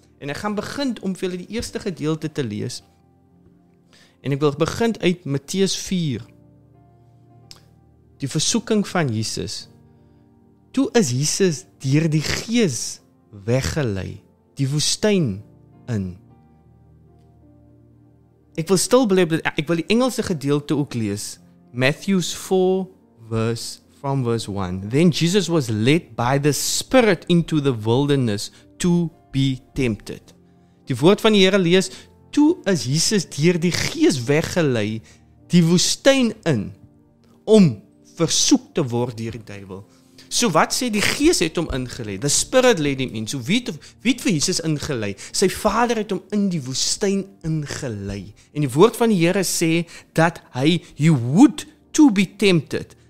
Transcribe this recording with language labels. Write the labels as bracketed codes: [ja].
[af] En ek gaan begin om vir die eerste gedeelte te lees, en ek wil begin uit Matteus 4, die versoeking van Jesus. Toe is Jesus deur die Gees weggelei, die woestyn in. Ek wil stil bly, ek wil die Engelse gedeelte ook lees. [en] Matthew 4, verse 1. Then Jesus was led by the Spirit into the wilderness to be tempted. [af] Die woord van die Here lees, toe is Jesus deur die Gees weggelei, die woestyn in, om versoek te word deur die duiwel. So wat sê, die Gees het hom ingelei, [en] the Spirit led him in. [af] So wie het vir Jesus ingelei? Sy Vader het hom in die woestyn ingelei. En die woord van die Here sê, dat hy, [en] he would to be tempted.